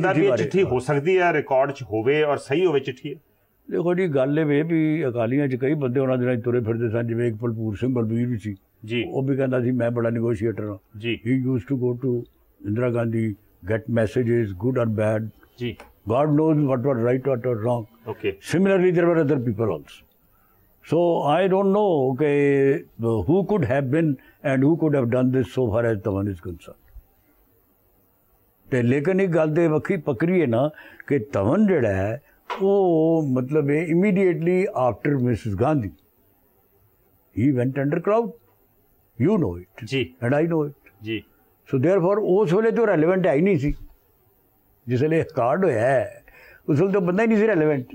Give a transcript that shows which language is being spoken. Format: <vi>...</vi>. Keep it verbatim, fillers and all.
<pa>ਚਿੱਠੀ ਚਿੱਠੀ ਹੋ ਸਕਦੀ ਹੈ ਰਿਕਾਰਡ 'ਚ ਹੋਵੇ ਔਰ ਸਹੀ ਹੋਵੇ ਚਿੱਠੀ। ਦੇਖੋ ਜੀ, ਗੱਲ ਇਹ ਵੇ ਵੀ ਅਕਾਲੀਆਂ 'ਚ ਕਈ ਬੰਦੇ ਉਹਨਾਂ ਦੇ ਨਾਲ ਤੁਰੇ ਫਿਰਦੇ ਸਨ, ਜਿਵੇਂ ਇੱਕ ਭਰਪੂਰ ਸਿੰਘ ਬਲਬੀਰ ਵੀ ਸੀ ਜੀ, ਉਹ ਵੀ ਕਹਿੰਦਾ ਸੀ ਮੈਂ ਬੜਾ ਨਿਗੋਸ਼ੀਏਟਰ ਹਾਂ ਜੀ।</pa> <en>He use to go to Indira Gandhi, get messages good or bad ਜੀ, God knows what was right, what was wrong. Okay. Similarly, there were other people also. So I don't know okay, who could have been and who could have done this so far as Tavan is concerned.</en> <pa>ਤੇ ਲੇਕਿਨ ਇਹ ਗੱਲ ਦੇ ਵੱਖਰੀ ਪਕੜੀ ਹੈ ਨਾ ਕਿ ਤਵਨ ਜਿਹੜਾ ਹੈ ਉਹ ਮਤਲਬ ਇਹ</pa> <en>Immediately after Mrs Gandhi he went under crowd, you know it ਜੀ and I know it ਜੀ। So therefore</en> <pa>ਉਸ ਵੇਲੇ ਤਾਂ ਰੈਲੇਵੈਂਟ ਹੈ ਹੀ ਨਹੀਂ ਸੀ, ਜਿਸ ਵੇਲੇ ਰਿਕਾਰਡ ਹੋਇਆ ਉਸ ਵੇਲੇ ਤਾਂ ਬੰਦਾ ਹੀ ਨਹੀਂ ਸੀ ਰੈਲੇਵੈਂਟ।</pa>